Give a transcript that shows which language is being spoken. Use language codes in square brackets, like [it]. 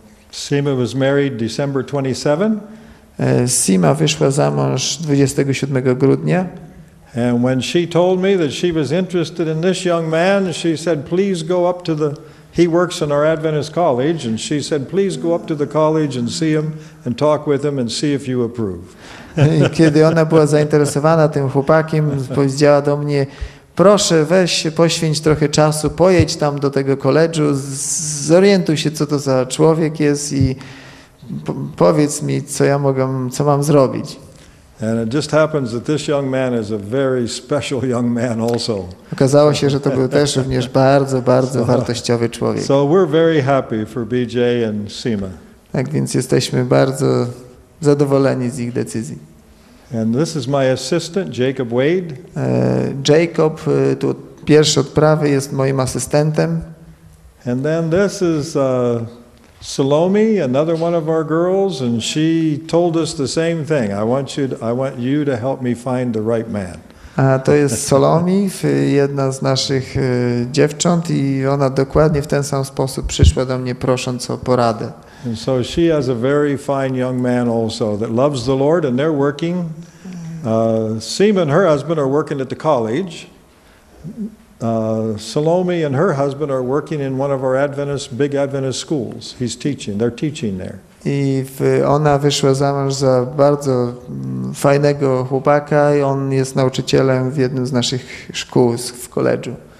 [en] Seema was married December 27. [pl] Seema wyszła za mąż 27 grudnia. [en] And when she told me that she was interested in this young man, she said, please go up to the, he works in our Adventist college, and she said, please go up to the college and see him and talk with him and see if you approve. [pl] I kiedy ona była zainteresowana tym chłopakiem, powiedziała do mnie: proszę, weź się, poświęć trochę czasu, pojedź tam do tego koledżu, zorientuj się, co to za człowiek jest i powiedz mi, co ja mogę, co mam zrobić. [en] And it just happens that this young man is a very special young man also. [pl] Okazało się, że to był też również bardzo, bardzo wartościowy człowiek. [en] So we're very happy for BJ and Seema. [pl] Tak więc jesteśmy bardzo zadowoleni z ich decyzji. [en] And this is my assistant, Jacob Wade. [pl] Jacob, tu pierwszy od prawej, jest moim asystentem. [en] And then this is Salome, another one of our girls, and she told us the same thing. I want you to help me find the right man. [pl] A to jest Salome, jedna z naszych dziewcząt, i ona dokładnie w ten sam sposób przyszła do mnie prosząc o poradę. [en] And so she has a very fine young man also that loves the Lord, and they're working. Seema and her husband are working at the college. Salome and her husband are working in one of our Adventist, big Adventist schools. He's teaching. They're teaching there. [pl] I ona wyszła za mąż za bardzo fajnego chłopaka, i on jest nauczycielem w jednym z naszych szkół w koledżu.